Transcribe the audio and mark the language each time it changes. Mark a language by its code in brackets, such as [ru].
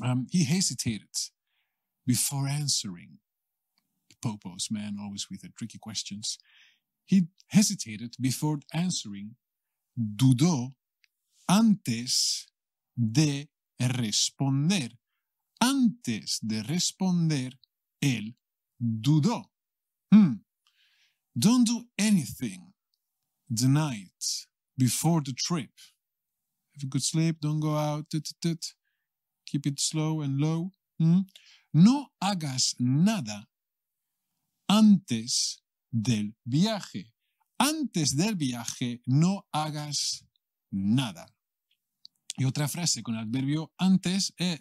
[en] He hesitated before answering. Popo's man, always with the tricky questions. He hesitated before answering. [es] Dudó antes de responder. Antes de responder, él dudó. [en] Don't do anything the night before the trip. Have a good sleep, don't go out. Keep it slow and low. [es] No hagas nada antes del viaje. Antes del viaje, no hagas nada. Y otra frase con el adverbio antes.